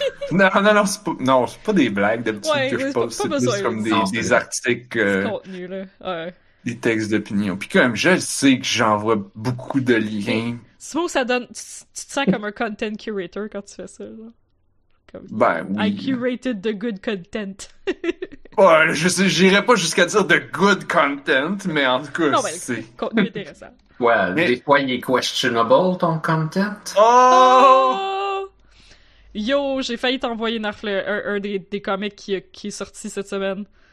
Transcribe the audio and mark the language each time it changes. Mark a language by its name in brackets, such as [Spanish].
[French] Non, c'est pas des blagues d'habitude ouais, que je poste. C'est juste comme des articles. Des contenus, là. Ouais. Des textes d'opinion. Puis comme, je sais que j'envoie beaucoup de liens. C'est beau, ça donne. Tu te sens comme un [English] content curator [French] quand tu fais ça, là. Ben oui. [English] I curated the good content. [French] Ouais, je sais, j'irais pas jusqu'à dire [English] the good content, [French] mais en tout cas, non, mais c'est. Contenu intéressant. Ouais, mais... des fois, il est questionable ton content. Oh! Yo, j'ai failli t'envoyer Narfle, un des comics qui est sorti cette semaine.